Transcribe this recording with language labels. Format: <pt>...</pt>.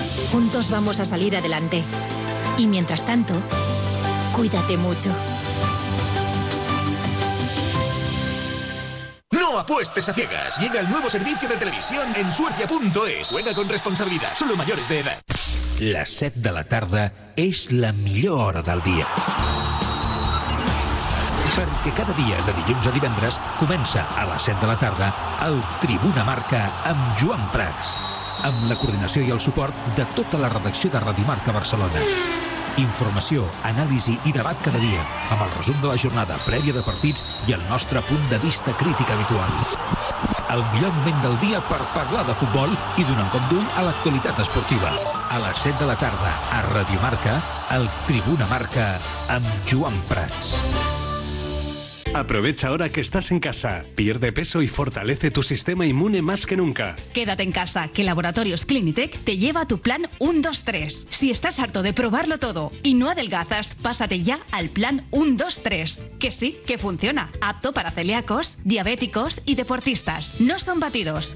<es>Juntos vamos a salir adelante. Y mientras tanto, cuídate mucho. No apuestes a ciegas. Llega el nuevo servicio de televisión en suertia.es. Juega con responsabilidad. Solo mayores de edad. Las 7 de la tarde es la mejor hora del día.</es> <ca>Perquè cada dia, de dilluns a divendres, comença a les 7 de la tarda el Tribuna Marca amb Joan Prats. amb la coordinació i el suport de tota la redacció de Radiomarca Barcelona. Informació, anàlisi i debat cada dia, amb el resum de la jornada prèvia de partits i el nostre punt de vista crític habitual. El millor moment del dia per parlar de futbol i donar un cop d'ull a l'actualitat esportiva. A les 7 de la tarda, a Radiomarca, el Tribuna Marca, amb Joan Prats.</ca> <es>Aprovecha ahora que estás en casa. Pierde peso y fortalece tu sistema inmune más que nunca. Quédate en casa, que Laboratorios Clinitec te lleva a tu plan 1, 2, 3. Si estás harto de probarlo todo y no adelgazas, pásate ya al plan 1, 2, 3. Que sí, que funciona. Apto para celíacos, diabéticos y deportistas. No son batidos.</es>